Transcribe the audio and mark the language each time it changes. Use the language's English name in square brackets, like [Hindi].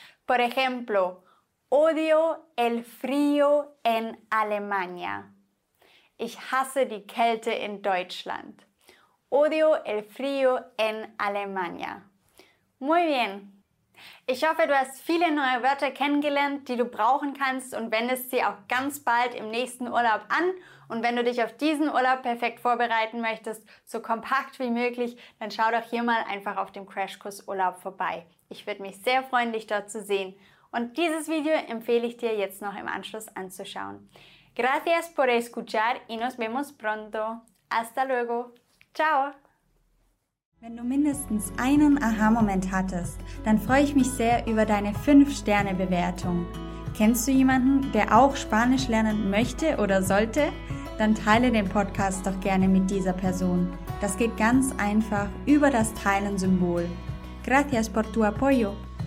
[Spanish] Por ejemplo, odio el frío en Alemania. [German] Ich hasse die Kälte in Deutschland. [Spanish] Odio el frío en Alemania. Muy bien. [German] Ich hoffe, du hast viele neue Wörter kennengelernt, die du brauchen kannst und wendest sie auch ganz bald im nächsten Urlaub an. Und wenn du dich auf diesen Urlaub perfekt vorbereiten möchtest, so kompakt wie möglich, dann schau doch hier mal einfach auf dem Crashkurs Urlaub vorbei. Ich würde mich sehr freuen, dich dort zu sehen. Und dieses Video empfehle ich dir jetzt noch im Anschluss anzuschauen. [Spanish] Gracias por escuchar y nos vemos pronto. Hasta luego. Ciao. [German] Wenn du mindestens einen Aha-Moment hattest, dann freue ich mich sehr über deine 5-Sterne-Bewertung. Kennst du jemanden, der auch Spanisch lernen möchte oder sollte? Dann teile den Podcast doch gerne mit dieser Person. Das geht ganz einfach über das Teilen-Symbol. [Spanish] Gracias por tu apoyo.